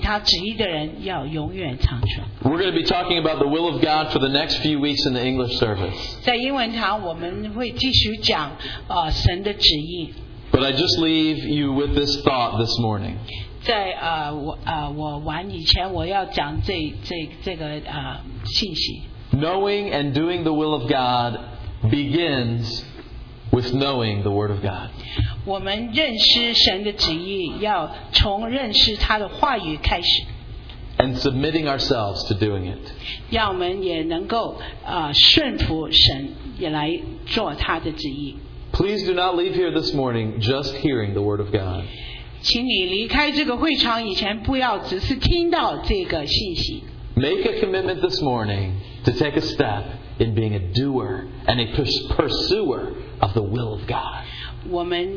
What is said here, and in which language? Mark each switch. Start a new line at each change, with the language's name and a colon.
Chinese: 这个世界要过去，可是爱神跟遵行他旨意的人要永远长存。
English: We're going to be talking about the will of God for the next few weeks in the English service.
Chinese: 在英文堂我们会继续讲神的旨意。
English: But I just leave you with this thought this morning.
Chinese: 在我完以前我要讲这个信息。
English: Knowing and doing the will of God begins with knowing the Word of God.
Chinese: 我们认识神的旨意要从认识他的话语开始。
English: And submitting ourselves to doing it.
Chinese: 让我们也能够顺服神，也来做他的旨意。
English: Please do not leave here this morning just hearing the Word of God.
Chinese: 请你离开这个会场以前不要只是听到这个信息。
English: Make a commitment this morning to take a step in being a doer and a pursuer of the will of God.